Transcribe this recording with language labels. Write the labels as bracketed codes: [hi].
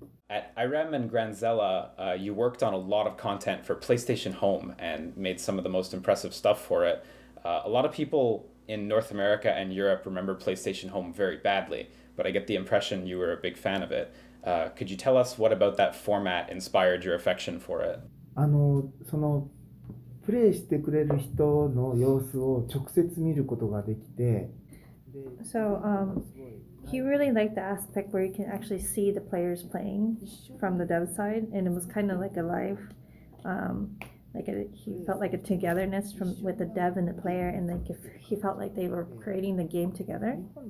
[en] At IREM and Granzella, you worked on a lot of content for PlayStation Home and made some of the most impressive stuff for it. A lot of people in North America and Europe remember PlayStation Home very badly, but I get the impression you were a big fan of it. Could you tell us what about that format inspired your affection for it? [ja] あの、その、プレイしてくれる人の様子を直接見ることができて。 [en] So, he really liked the aspect where you can actually see the players playing from the dev side, and it was kind of like a live, he felt like a togetherness from with the dev and the player, and like if he felt like they were creating the game together.